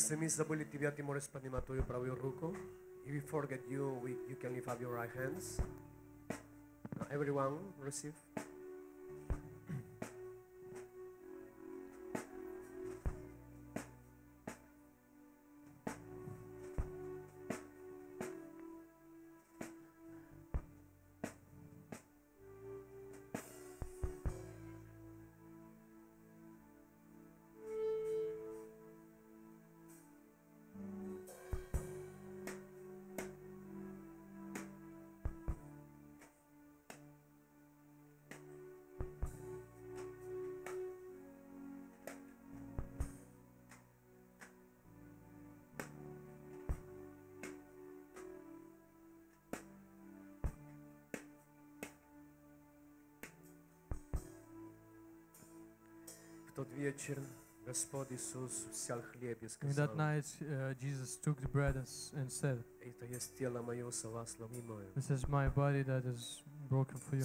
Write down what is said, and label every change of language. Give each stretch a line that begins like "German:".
Russian: Забыли тебя, ты можешь поднимать твою правую руку.
English: If we forget you, you can lift up your right hands. Now everyone, receive.
Russian: Вечер Господь Иисус взял хлеб и сказал.
English: That night Jesus took the bread and said.
Russian: Это есть тело мое, сломимое.
English: This is my body that is broken for you.